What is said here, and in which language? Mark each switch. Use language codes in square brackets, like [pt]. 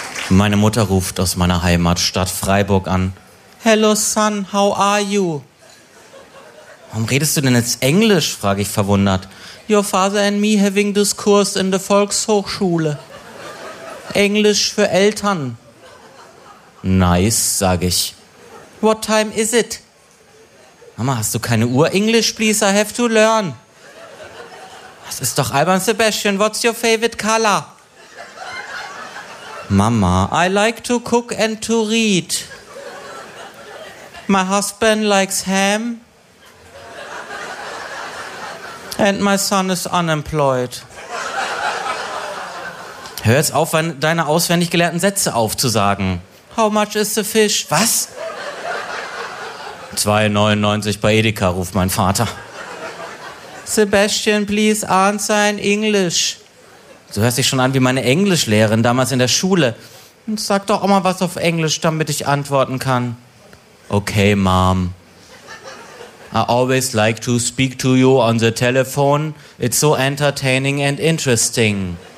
[de] Meine Mutter ruft aus meiner Heimatstadt Freiburg an. [en] Hello, son, how are you? [de] Warum redest du denn jetzt Englisch, frage ich verwundert. [en] Your father and me having this course in the Volkshochschule. [de] Englisch für Eltern. Nice, sage ich. [en] What time is it? [de] Mama, hast du keine Uhr? [en] English, please, I have to learn. [de] Das ist doch albern, Sebastian. [en] What's your favorite color? Mama, I like to cook and to read. My husband likes ham. And my son is unemployed. [de] Hör jetzt auf, deine auswendig gelernten Sätze aufzusagen. [en] How much is the fish? [de] Was? 2,99 bei Edeka, ruft mein Vater. [en] Sebastian, please answer in English. [de] So hörst du dich schon an wie meine Englischlehrerin damals in der Schule. Und sag doch auch mal was auf Englisch, damit ich antworten kann. [en] Okay, Mom. I always like to speak to you on the telephone. It's so entertaining and interesting.